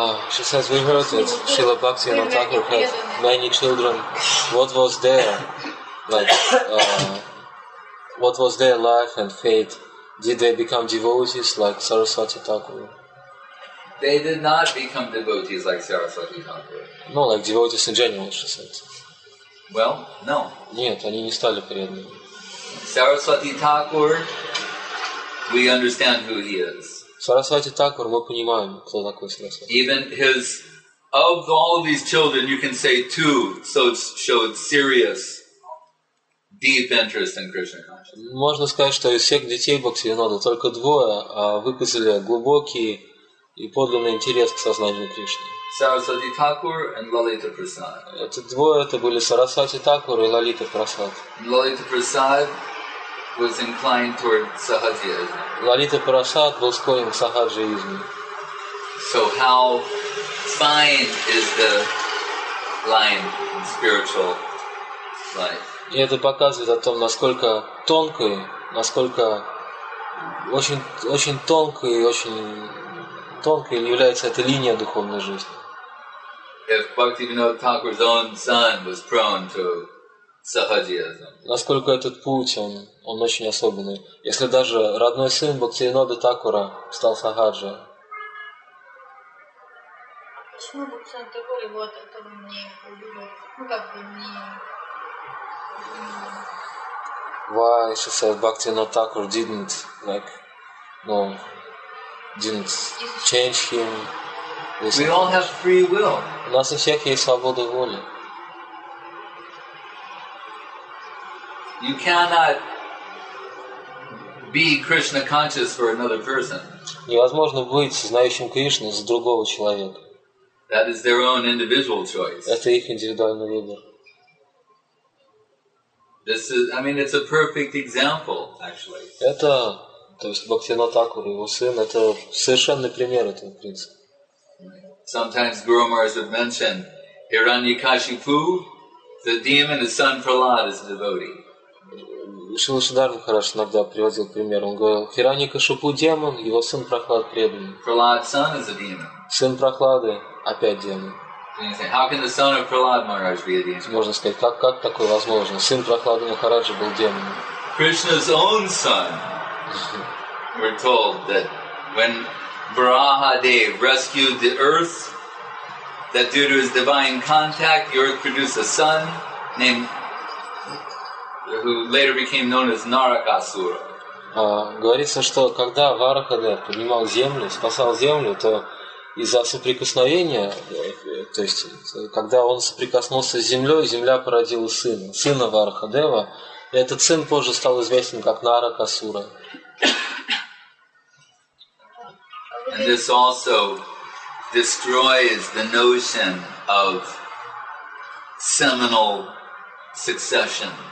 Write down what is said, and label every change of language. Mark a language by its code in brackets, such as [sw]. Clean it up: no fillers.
[en] She says we heard that Srila Bhakti and Thakur had many children. What was their, like, what was their life and fate? Did they become devotees like Saraswati Thakur? They did not become devotees like Saraswati Thakur. No, like devotees in general, she said. Well, no. [ru] Нет, они не стали преданными. [en] Saraswati Thakur, we understand who he is. [ru] Сарасвати Такур, мы понимаем, кто такой Сарасвати. [en] Even his, of all of these children, you can say two, so it showed serious, deep interest in Krishna consciousness. [ru] Можно сказать, что из всех детей Бхактивинода только двое выказали глубокий и подлинный интерес к сознанию Кришны. Сарасвати Такур and Лалита Прасад. Это двое, это были Сарасвати Такур и Лалита Прасад. [en] Лалита Прасад was inclined toward Sahajism. [ru] Лалита Прасад был склонен к сахаджиизму. [en] So how fine is the line in spiritual life? [ru] И это показывает о том, насколько тонкой, насколько очень, очень тонкой и очень тонкой является эта линия духовной жизни. [en] If Bhaktivinoda Thakur's own son was prone to Сахаджиизм. [ru] Насколько этот путь, он очень особенный. Если даже родной сын Бхактивинода Такура стал сахаджи. Почему Бхактивинода Такура его от этого не убивал? Ну, как бы, не... [en] Why, she said, Бхактивинода Такура didn't, like, no, didn't change him. We all have free will. [ru] У нас у всех есть свобода воли. [en] You cannot be Krishna conscious for another person. [ru] Невозможно быть знающим Кришну за другого человека. [en] That is their own individual choice. [ru] Это их индивидуальный выбор. [en] This is, I mean, it's a perfect example, actually. [ru] Это, то есть Бхактивинода Такур, его сын, это совершенный пример этого принципа. [en] Sometimes Guru Maharaj would mention Hiranyakashipu, the demon, his son Prahlad is a devotee. [ru] Шрила Шридхара Махарадж иногда приводил пример. Он говорил, Хираньякашипу демон, его сын Прохлад преданный. [en] Prahlad's son is a demon. [ru] Сын Прохлады опять демон. [en] How can the son of Prahlad Maharaj be a demon? [ru] Можно сказать, как такое возможно? Сын Прохлады Махараджа был демоном. [en] Krishna's own son. We're told that when Brahadev rescued the earth, that due to his divine contact, the earth produced a son named who later became known as Narakasura. [ru] Говорится, что когда Варахадев поднимал землю, спасал землю, то из-за соприкосновения, то есть когда он соприкоснулся с землей, земля породила сына, сына Варахадева. И этот сын позже стал известен как Наракасура. [en] And this also destroys the notion of seminal succession.